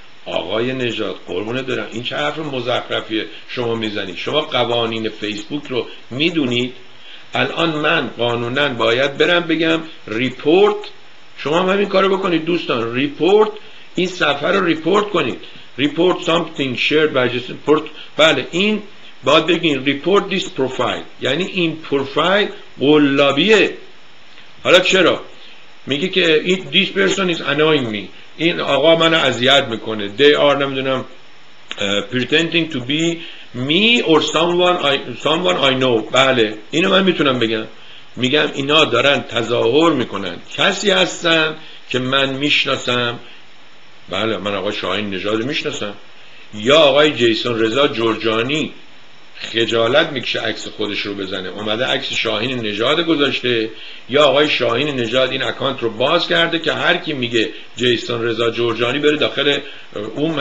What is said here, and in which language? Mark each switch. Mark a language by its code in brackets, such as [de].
[fa] آقای نژاد قربونه دارم، این چه حرف مزخرفیه شما میزنید؟ شما قوانین فیسبوک رو میدونید؟ الان من قانونن باید برم بگم ریپورت، شما هم همین کارو بکنید دوستان، ریپورت این صفحه رو ریپورت کنید، [en] Report something shared by Jason. [fa] بله این باید بگین [en] report this profile، [fa] یعنی این پروفایل قلابیه. حالا چرا؟ میگه که این [en] this person is annoying me، [fa] این آقا منو اذیت میکنه. [en] they are [fa] نمیدونم [en] pretending to be me or someone I know. [fa] بله اینو من میتونم بگم، میگم اینا دارن تظاهر میکنن کسی هستن که من میشناسم. بله من آقای شاهین نژاد میشناسم، یا آقای جیسون رضا جرجانی خجالت میکشه عکس خودش رو بزنه، اومده عکس شاهین نژاد گذاشته، یا آقای شاهین نژاد این اکانت رو باز کرده که هر کی میگه جیسون رضا جرجانی بره داخل اون.